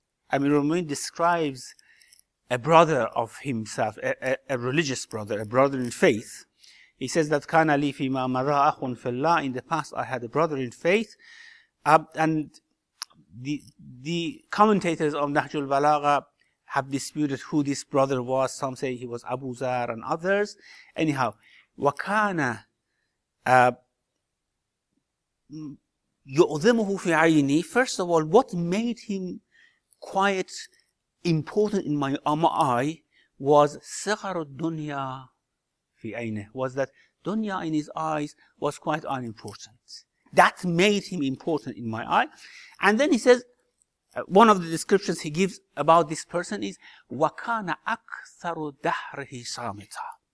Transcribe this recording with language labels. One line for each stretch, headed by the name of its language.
English: I mean, Rumi describes a brother of himself, a religious brother, a brother in faith. He says that
Arabic: كان لي فيما مضى أخ في الله,
English: in the past I had a brother in faith. And the commentators of Nahjul Balagha have disputed who this brother was. Some say he was Abu Zar and others.
Arabic: Anyhow, وَكَانَ يُؤْذِمُهُ فِي عَيْنِي.
English: First of all, what made him quite important in my eye was
Arabic: صِغَرُ الدُّنْيَا فِي عَيْنِهِ,
English: was that dunya in his eyes was quite unimportant. That made him important in my eye. And then he says, one of the descriptions he gives about this person is,
Arabic: وَكَانَ أَكْثَرُ دَهْرِهِ صَامِتًا.